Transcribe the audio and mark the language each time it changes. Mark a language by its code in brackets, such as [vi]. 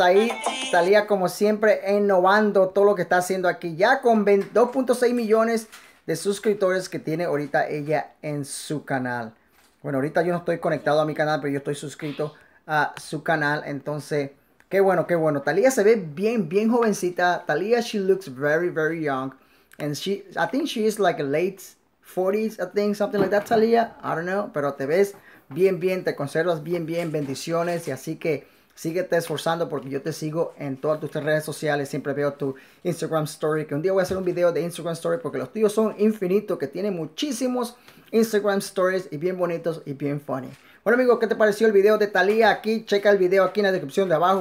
[es] Ahí Thalía, como siempre, innovando todo lo que está haciendo aquí, ya con 2.6 millones de suscriptores que tiene ahorita ella en su canal. Bueno, ahorita yo no estoy conectado a mi canal, pero yo estoy suscrito a su canal, entonces. Qué bueno, qué bueno. Thalía se ve bien, bien jovencita. [en] Thalía, she looks very, very young. And she, I think she is like late 40s, I think, something like that, Thalía. I don't know. [es] Pero te ves bien, bien. Te conservas bien, bien. Bendiciones. Y así que síguete esforzando porque yo te sigo en todas tus redes sociales. Siempre veo tu Instagram story. Que un día voy a hacer un video de Instagram story porque los tuyos son infinitos. Que tienen muchísimos Instagram stories y bien bonitos y bien funny. Bueno, amigo, ¿qué te pareció el video de Thalía? Aquí, checa el video aquí en la descripción de abajo.